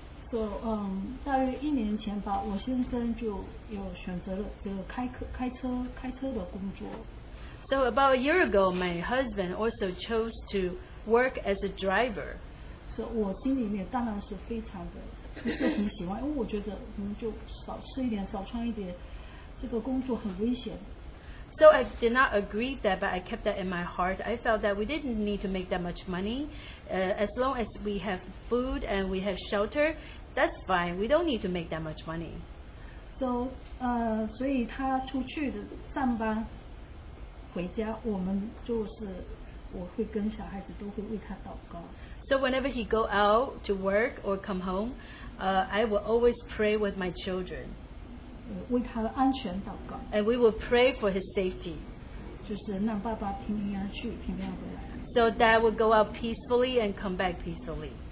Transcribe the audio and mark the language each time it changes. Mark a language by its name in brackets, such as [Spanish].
[English] So, [Chinese] 大约一年前吧，我先生就有选择了这个开车的工作。 [English] So about a year ago, my husband also chose to work as a driver. So [Chinese] 我心里面当然是非常的，不是很喜欢，因为我觉得我们就少吃一点，少穿一点，这个工作很危险。 [English] So I did not agree that, but I kept that in my heart. I felt that we didn't need to make that much money, as long as we have food and we have shelter. That's fine. We don't need to make that much money. So, [Chinese] 所以他出去的上班回家，我们就是我会跟小孩子都会为他祷告。 [English] So whenever he go out to work or come home, I will always pray with my children. [Chinese] 为他的安全祷告。 [English] And we will pray for his safety. [Chinese] 就是让爸爸平平安去，平平安回来。 [English] So Dad will go out peacefully and come back peacefully.